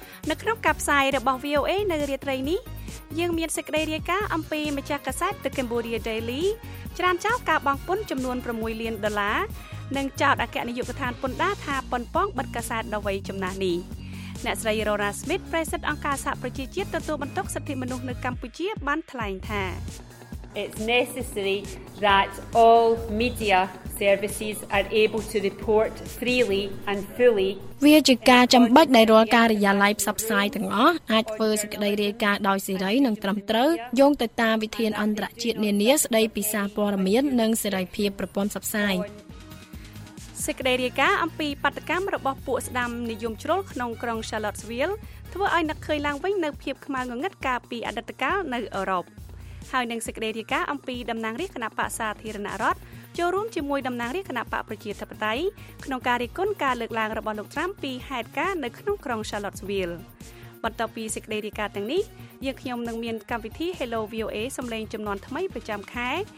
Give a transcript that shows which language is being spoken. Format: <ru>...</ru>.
<km>នៅក្នុងការផ្សាយរបស់ VOA នៅរាត្រីនេះយើងមានសេចក្តីរាយការណ៍អំពីម្ចាស់កាសែត The Cambodia Daily ច្រានចោលការបង់ពន្ធចំនួន6លានដុល្លារនិងចោទអគ្គនាយកដ្ឋានពន្ធដារថាប៉ុនប៉ងបិទកាសែតដ៏វ័យចំណាស់នេះអ្នកស្រី Rora Smith ប្រធានអង្គការសហប្រជាជាតិទទួលបន្ទុកសិទ្ធិមនុស្សនៅកម្ពុជាបានថ្លែងថា</km> <en>It's necessary that all media services are able to report freely and fully</en> <km>វាជាការចាំបាច់ដែលរាល់ការិយាល័យផ្សព្វផ្សាយទាំងអស់អាចធ្វើសេចក្តីរាយការណ៍ដោយសេរីនិងត្រឹមត្រូវយោងទៅតាមវិធានអន្តរជាតិនានាស្តីពីសារព័ត៌មាននិងសេរីភាពប្រព័ន្ធផ្សព្វផ្សាយ សេចក្តីរាយការណ៍អំពីបាតុកម្មរបស់ពួកស្ដាំនិយមជ្រុលក្នុងក្រុង Charlottesville ធ្វើឲ្យអ្នកឃើញឡើងវិញនៅភាពខ្មៅងងឹតកាលពីអតីតកាលនៅអឺរ៉ុបហើយនឹងសេចក្តីរាយការណ៍អំពីតំណាងរាស្ត្រគណៈបក្សសាធារណរដ្ឋចូលរួមជាមួយតំណាងរាស្ត្រគណៈបក្សប្រជាធិបតេយ្យក្នុងការរិះគន់ការលើកឡើងរបស់លោកត្រាំពីហេតុការណ៍នៅក្នុងក្រុង Charlottesville បន្ទាប់ពីសេចក្តីរាយការណ៍ទាំងនេះយើងខ្ញុំនឹងមានកម្មវិធី Hello VOA សំឡេងចំនួនថ្មីប្រចាំខែ</km>